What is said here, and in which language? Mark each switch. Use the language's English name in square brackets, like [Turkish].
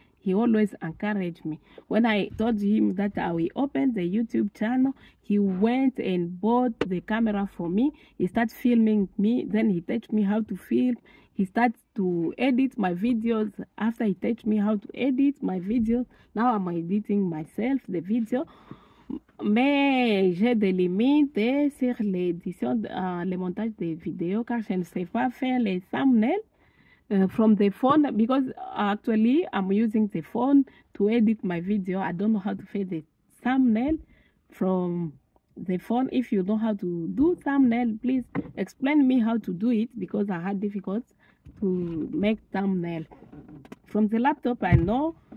[English] He always encouraged me. When I told him that I will open the YouTube channel, he went and bought the camera for me. He started filming me. Then he taught me how to film. He started to edit my videos. After he taught me how to edit my videos, now I'm editing myself the video. [French] Mais j'ai des limites sur l'édition, le montage des vidéos, car je ne sais pas faire les thumbnails. [English] From the phone, because actually I'm using the phone to edit my video. I don't know how to fade the thumbnail from the phone. If you know how to do thumbnail, please explain me how to do it, because I had difficulty to make thumbnail. From the laptop, I know